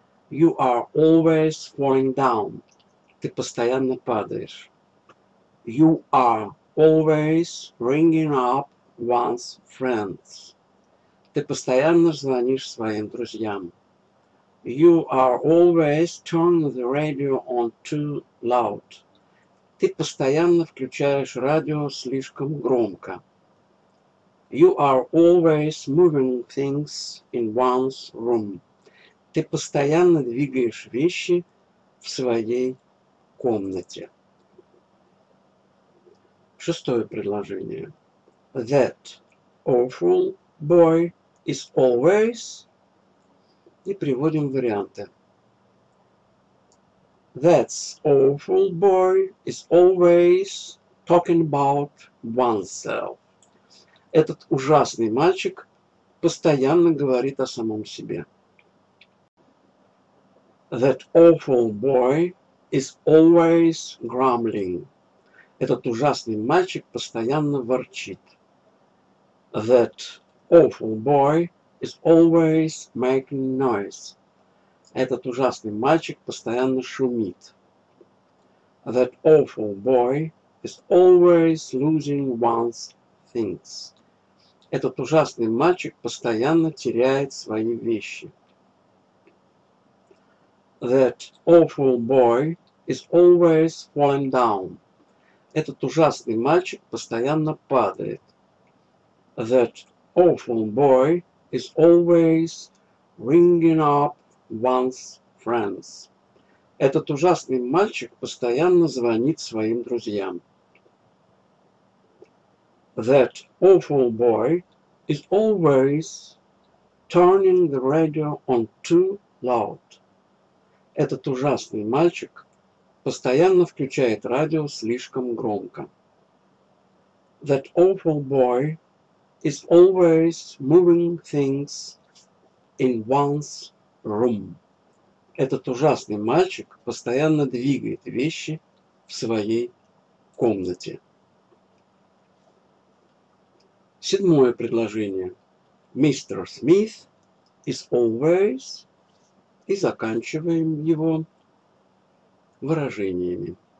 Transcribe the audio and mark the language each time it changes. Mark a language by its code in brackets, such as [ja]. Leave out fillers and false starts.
[en] You are always falling down. [ru] Ты постоянно падаешь. [en] You are always ringing up one's friends. [ru] Ты постоянно звонишь своим друзьям. [en] You are always turning the radio on too loud. [ru] Ты постоянно включаешь радио слишком громко. [en] You are always moving things in one's room. [ru] Ты постоянно двигаешь вещи в своей комнате. Шестое предложение. [en] That awful boy is always... [ru] И приводим варианты. [en] That awful boy is always talking about oneself. [ru] Этот ужасный мальчик постоянно говорит о самом себе. [en] That awful boy is always grumbling. [ru] Этот ужасный мальчик постоянно ворчит. [en] That awful boy is always making noise. [ru] Этот ужасный мальчик постоянно шумит. [en] That awful boy is always losing one's things. [ru] Этот ужасный мальчик постоянно теряет свои вещи. [en] That awful boy is always falling down. [ru] Этот ужасный мальчик постоянно падает. [en] That awful boy is always ringing up one's friends. [ru] Этот ужасный мальчик постоянно звонит своим друзьям. [en] That awful boy is always turning the radio on too loud. [ru] Этот ужасный мальчик постоянно включает радио слишком громко. [en] That awful boy is always moving things in one's room. [ru] Этот ужасный мальчик постоянно двигает вещи в своей комнате. Седьмое предложение. [en] Mr. Smith is always... [ru] И заканчиваем его выражениями.